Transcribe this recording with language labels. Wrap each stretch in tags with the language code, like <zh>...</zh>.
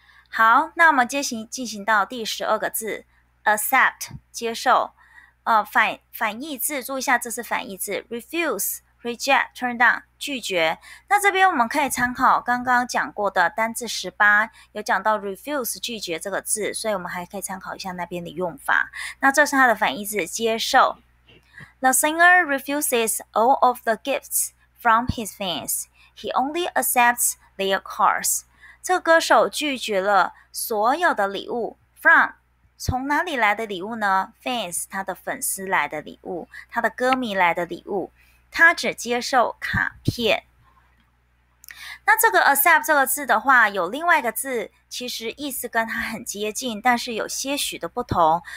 <zh>好，那我们进行到第十二个字 accept 接受，反义字注意一下，这是反义字 refuse reject turn down 拒绝。那这边我们可以参考刚刚讲过的单字18，有讲到 refuse 拒绝这个字，所以我们还可以参考一下那边的用法。那这是它的反义字接受。</zh> <en>The singer refuses all of the gifts from his fans. He only accepts their cards.</en> <zh>这个歌手拒绝了所有的礼物 from 从哪里来的礼物呢 ？Fans 他的粉丝来的礼物，他的歌迷来的礼物，他只接受卡片。那这个 accept 这个字的话，有另外一个字，其实意思跟它很接近，但是有些许的不同。</zh>